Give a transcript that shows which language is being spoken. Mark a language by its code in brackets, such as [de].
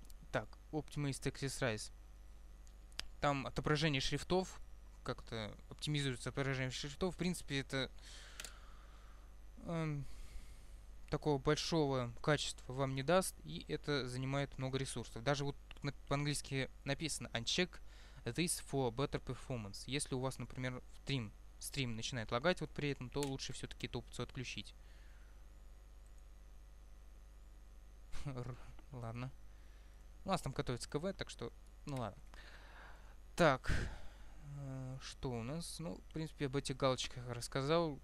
[ru] Так, Optimize Text Resize. Там отображение шрифтов, как-то оптимизируется отображение шрифтов. В принципе, это такого большого качества вам не даст, и это занимает много ресурсов. Даже вот по-английски написано [en] «Uncheck this for better performance». [ru] Если у вас, например, стрим начинает лагать вот при этом, то лучше все-таки эту опцию отключить. Ладно. У нас там готовится КВ, так что, ну ладно. Так, что у нас? Ну, в принципе, об этих галочках рассказал.